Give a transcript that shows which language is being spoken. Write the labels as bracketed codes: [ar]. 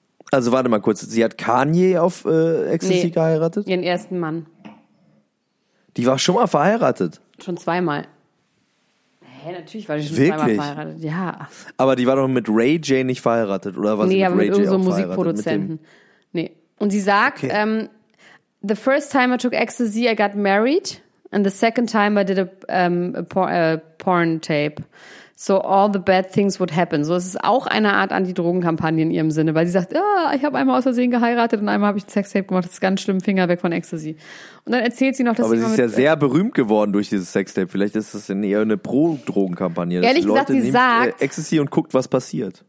[de] Also warte mal kurz, sie hat Kanye auf Ecstasy geheiratet? Ihren ersten Mann. Die war schon mal verheiratet? Schon zweimal. Hä, natürlich war die schon zweimal verheiratet. Ja. Aber die war doch mit Ray J nicht verheiratet, oder war sie mit Ray J auch verheiratet? Musikproduzenten. Nee. Und sie sagt, okay. [en] The first time I took Ecstasy, I got married. And the second time I did a porn tape. So all the bad things would happen. [de] So, es ist auch eine Art Anti-Drogen-Kampagne in ihrem Sinne, weil sie sagt, ah, ich habe einmal aus Versehen geheiratet und einmal habe ich ein Sextape gemacht. Das ist ganz schlimm, Finger weg von Ecstasy. Und dann erzählt sie noch, dass aber sie ist ja sehr berühmt geworden durch dieses Sextape. Vielleicht ist das eher eine Pro-Drogen-Kampagne. Ehrlich gesagt, Leute, sie sagt, Ecstasy und guckt, was passiert.